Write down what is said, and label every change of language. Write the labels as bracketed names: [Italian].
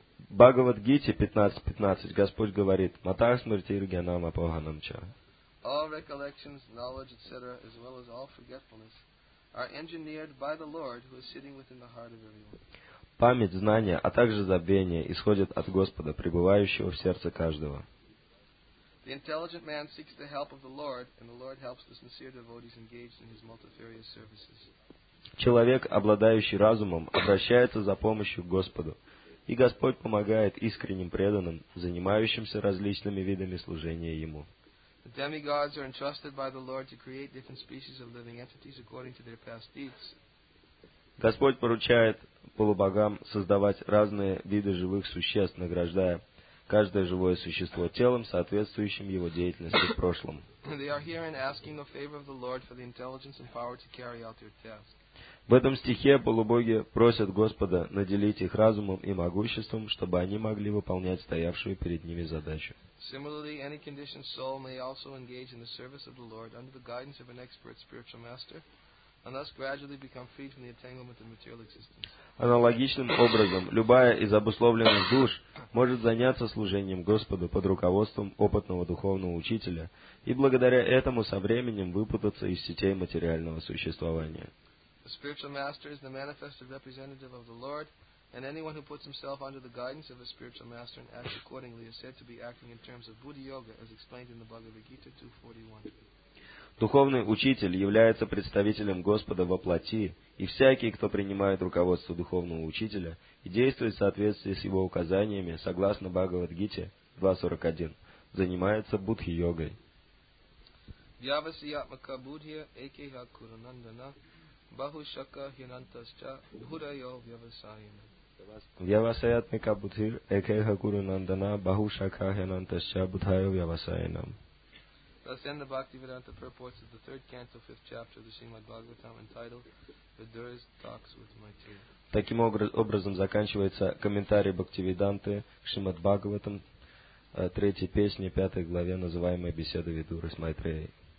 [Russian] Бхагавад-гите 15.15 Господь говорит: [Sanskrit] «Матах смртир гьянам апоханам ча». [English] All recollections, knowledge, etc., as well as all forgetfulness, are engineered by the Lord, who is sitting within the heart of everyone. [Russian] Память, знания, а также забвение исходят от Господа, пребывающего в сердце каждого. [English] The intelligent man seeks the help of the Lord, and the Lord helps the sincere devotees engaged in his multifarious services. [Russian] Человек, обладающий разумом, обращается за помощью к Господу, и Господь помогает искренним преданным, занимающимся различными видами служения Ему. [English] The demigods are entrusted by the Lord to create different species of living entities according to their past deeds. [Russian] Господь поручает полубогам создавать разные виды живых существ, награждая каждое живое существо телом, соответствующим его деятельности в прошлом. [English] They are herein asking the favor of the Lord for the intelligence and power to carry out their task. [Russian] В этом стихе полубоги просят Господа наделить их разумом и могуществом, чтобы они могли выполнять стоявшую перед ними задачу. [English] Similarly, any conditioned soul may also engage in the service of the Lord under the guidance of an expert spiritual master, and thus gradually become freed from the entanglement of material existence. [Russian] Аналогичным образом, любая из обусловленных душ может заняться служением Господу под руководством опытного духовного учителя и благодаря этому со временем выпутаться из сетей материального существования. [English] The spiritual master is the manifested representative of the Lord, and anyone who puts himself under the guidance of a spiritual master and acts accordingly is said to be acting in terms of Buddha Yoga, as explained in the Bhagavad Gita 2.41. [Russian] Духовный учитель является представителем Господа во плоти, и всякий, кто принимает руководство духовного учителя и действует в соответствии с его указаниями, согласно Бхагавад-гите 2.41, занимается Будхи-йогой. [Sanskrit] Явасиятмака Будхия Экеха Курананданна Бахушака Хинантасча Будхайо Вьявасайна. Явасиятмака Будхия Экеха Курананданна Бахушака Хинантасча Будхайо Вьявасайна. [English] Thus end the Bhaktivedanta purports of the third canto, fifth chapter of the Srimad Bhagavatam, entitled Vidura's Talks with Maitreya. [Russian] Таким образом заканчивается комментарий Бхактивиданты к Шримад Бхагаватам, третьей песне, пятой главе, называемой Беседа Видуры с Майтреей.